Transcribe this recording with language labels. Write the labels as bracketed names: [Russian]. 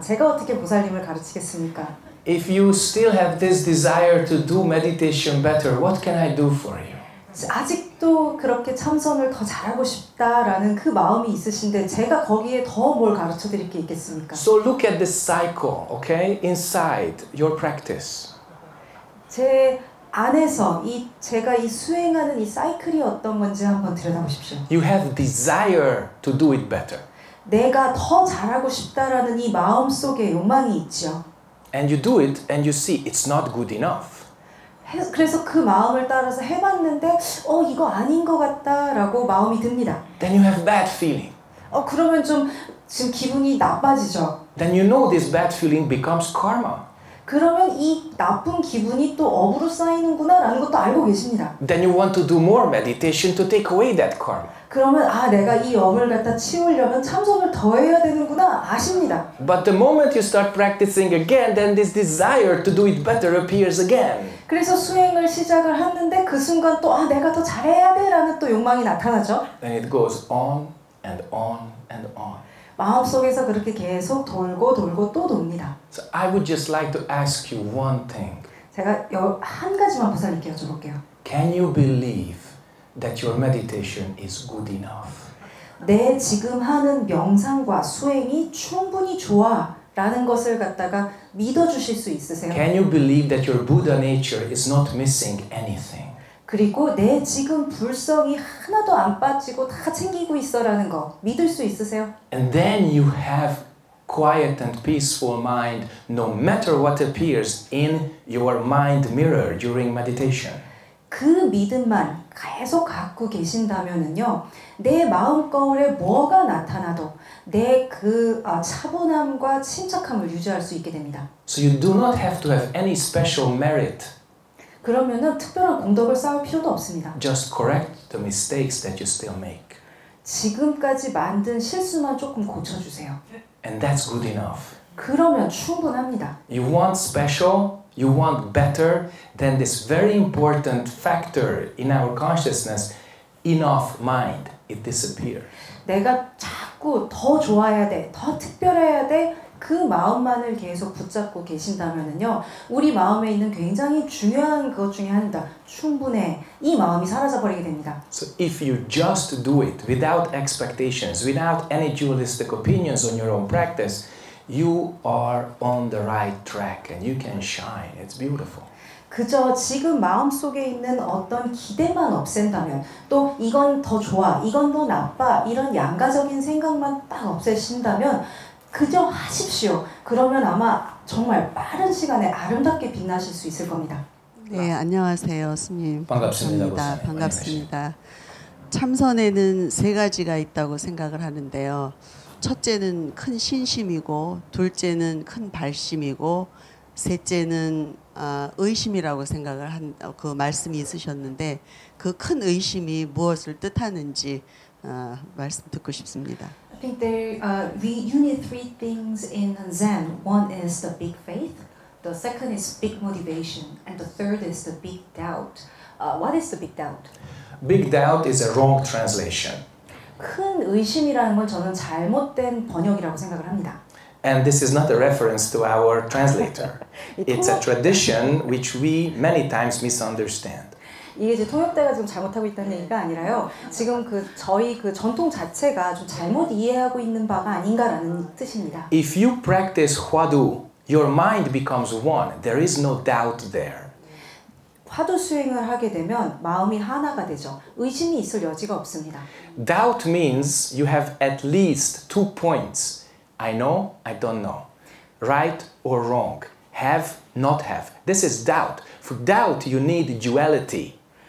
[Korean] 제가 어떻게 보살님을 가르치겠습니까? [English] If you still have this desire to do meditation better, what can I do for you? [Korean] 아직도 그렇게 참선을 더 잘하고 싶다라는 그 마음이 있으신데 제가 거기에 더 뭘 가르쳐 드릴 게 있겠습니까? [English] So look at this cycle, okay? Inside your practice. [Korean] 제 안에서 이 제가 이 수행하는 이 사이클이 어떤 건지 한번 들여다보십시오. [English] You have desire to do it better. [Korean] 내가 더 잘하고 싶다라는 이 마음 속에 욕망이 있죠. [English] And you do it and you see it's not good enough. [Korean] 그래서 그 마음을 따라서 해봤는데 이거 아닌 것 같다라고 마음이 듭니다. [English] Then you have bad feeling. [Korean] 그러면 좀 지금 기분이 나빠지죠. [English] Then you know this bad feeling becomes karma. [Korean] 그러면 이 나쁜 기분이 또 업으로 쌓이는구나 라는 것도 알고 계십니다. [English] Then you want to do more meditation to take away that karma. [Korean] 그러면 내가 이 업을 갖다 치우려면 참선을 더 해야 되는구나 아십니다. [English] But the moment you start practicing again, then this desire to do it better appears again. [Korean] 그래서 수행을 시작을 하는데 그 순간 또 내가 더 잘해야 돼 라는 또 욕망이 나타나죠. [English] And it goes on and on and on. [Korean] 마음속에서 그렇게 계속 돌고 돌고 또 돕니다. [English] So I would just like to ask you one thing. [Korean] 제가 한 가지만 부탁을 여쭤볼게요. [English] Can you believe that your meditation is good enough? [Korean] 내 지금 하는 명상과 수행이 충분히 좋아 라는 것을 갖다가 믿어 주실 수 있으세요? [English] Can you believe that your Buddha nature is not missing anything? [Korean] 그리고 내 지금 불성이 하나도 안 빠지고 다 챙기고 있어라는 거 믿을 수 있으세요? [English] And then you have quiet and peaceful mind no matter what appears in your mind mirror during meditation. [Korean] 그 믿음만 계속 갖고 계신다면은요. 내 마음 거울에 뭐가 나타나도 내 그 차분함과 침착함을 유지할 수 있게 됩니다. [English] So you do not have to have any special merit. [Korean] 그러면은 특별한 공덕을 쌓을 필요도 없습니다. [English] Just correct the mistakes that you still make. [Korean] 지금까지 만든 실수만 조금 고쳐 주세요. [English] And that's good enough. [Korean] 그러면 충분합니다. [English] You want special? You want better than this very important factor in our consciousness, enough mind. It disappears. [Korean] 내가 자꾸 더 좋아야 돼, 더 특별해야 돼 그 마음만을 계속 붙잡고 계신다면은요, 우리 마음에 있는 굉장히 중요한 것 중에 하나다. 충분해. 이 마음이 사라져 버리게 됩니다. [English] So if you just do it without expectations, without any dualistic opinions on your own practice, you are on the right track and you can shine. It's beautiful. [Korean] 그저 지금 마음속에 있는 어떤 기대만 없앤다면 또 이건 더 좋아, 이건 더 나빠 이런 양가적인 생각만 딱 없애신다면 그저 하십시오. 그러면 아마 정말 빠른 시간에 아름답게 빛나실 수 있을 겁니다. 네, 안녕하세요, 스님. 반갑습니다. 반갑습니다. 참선에는 세 가지가 있다고 생각을 하는데요. 첫째는 큰 신심이고 둘째는 큰 발심이고 셋째는 의심이라고 생각을 한 그 말씀이 있으셨는데 그 큰 의심이 무엇을 뜻하는지 말씀 듣고 싶습니다. [English] I think there we unit three things in Zen. One is the big faith, the second is big motivation, and the third is the big doubt. What is the big doubt? Big doubt is a wrong translation. [Korean] 큰 의심이라는 건 저는 잘못된 번역이라고 생각을 합니다. [English] And this is not a reference to our translator. It's a tradition which we many times misunderstand. [Korean] 이게 이제 통역대가 좀 잘못하고 있다는 얘기가 아니라요. 지금 그 저희 그 전통 자체가 좀 잘못 이해하고 있는 바가 아닌가라는 뜻입니다. [English] If you practice Huadu, your mind becomes one. There is no doubt there. [Korean] 화두 수행을 하게 되면 마음이 하나가 되죠. 의심이 있을 여지가 없습니다. [English] Doubt means you have at least two points. I know, I don't know. Right or wrong. Have, not have. This is doubt. For doubt, you need duality.